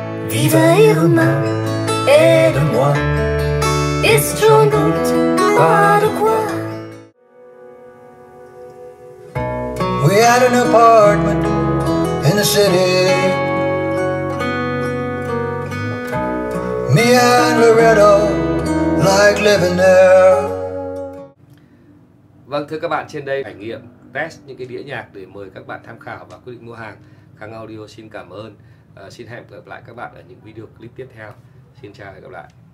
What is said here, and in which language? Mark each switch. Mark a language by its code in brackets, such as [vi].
[fr] Viva Irma, aide-moi. Et si j'en doute, pas de quoi. [en] We had an apartment in the city. Me and Loretto like living there. [vi] Vâng, thưa các bạn, trên đây trải nghiệm test những cái đĩa nhạc để mời các bạn tham khảo và quyết định mua hàng. Khang Audio xin cảm ơn. Xin hẹn gặp lại các bạn ở những video clip tiếp theo. Xin chào và hẹn gặp lại.